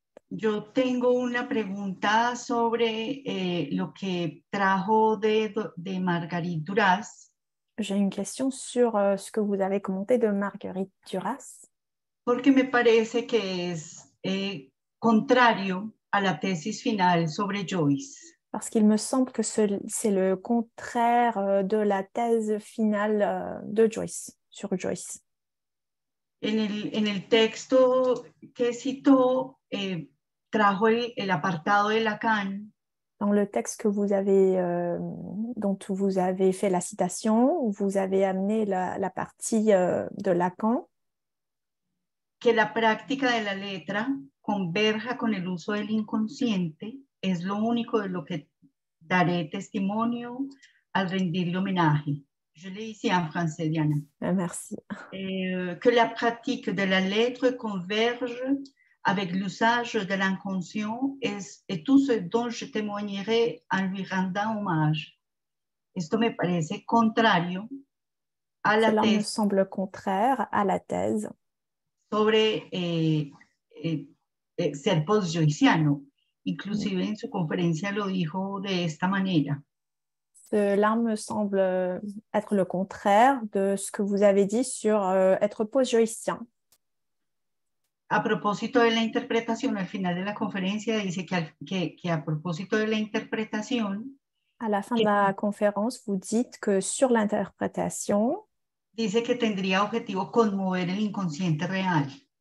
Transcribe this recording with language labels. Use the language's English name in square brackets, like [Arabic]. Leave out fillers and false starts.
[Spanish] Yo tengo una pregunta sobre lo que trajo de Marguerite Duras. [French] J'ai une question sur ce que vous avez commenté de Marguerite Duras. [Spanish] Porque me parece que es contrario a la tesis final sobre Joyce. [French] Parce qu'il me semble que c'est le contraire de la thèse finale de Joyce, sur Joyce. [Spanish] En el texto que citó, trajo el apartado de Lacan. [French] Dans le texte que vous avez, dont vous avez fait la citation, vous avez amené la partie de Lacan. [Spanish] Que la práctica de la letra converja con el uso del inconsciente es lo único de lo que daré testimonio al rendirle homenaje. [French] Je l'ai ici en français, Diana. Merci. Que la pratique de la lettre converge avec l'usage de l'inconscient et tout ce dont je témoignerai en lui rendant hommage. [Spanish] Esto me parece contrario a la [French] Cela thèse. Cela me semble contraire à la thèse. [Spanish] Sobre ser post-joyciano. Inclusive en su conferencia lo dijo de esta manera. [French] Cela me semble être le contraire de ce que vous avez dit sur être post-joycien. [Spanish] A propósito de la interpretación, al final de la conferencia dice que a propósito de la interpretación. [French] A la fin de la conférence, vous dites que sur l'interprétation. [Spanish] Dice que tendría objetivo conmover el inconsciente real.